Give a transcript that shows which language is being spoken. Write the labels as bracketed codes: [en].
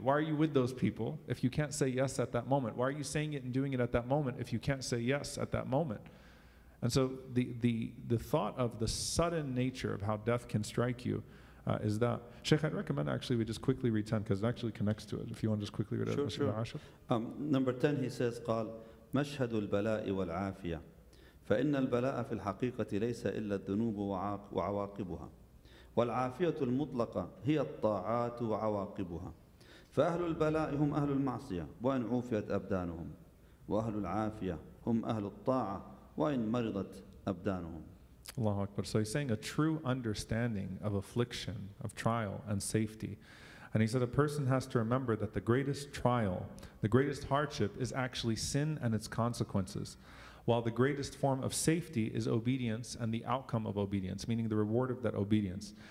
[en] Why are you with those people if you can't say yes at that moment? Why are you saying it and doing it at that moment if you can't say yes at that moment? And so the thought of the sudden nature of how death can strike you is that, Sheikh, I'd recommend actually we just quickly read 10 because it actually connects to it. If you want to just quickly read it. Sure. Number 10, he says, [ar] قال, مشهد البلاء والعافية فإن البلاء في الحقيقة ليس إلا الذنوب وعواقبها والعافية المطلقة هي الطاعات وعواقبها. فأهل البلاء هم أهل المعصية وإن عوفيت أبدانهم، وأهل العافية هم أهل الطاعة وإن مرضت أبدانهم. Allahu Akbar. [en] So he's saying a true understanding of affliction, of trial and safety. And he said a person has to remember that the greatest trial, the greatest hardship is actually sin and its consequences, while the greatest form of safety is obedience and the outcome of obedience, meaning the reward of that obedience.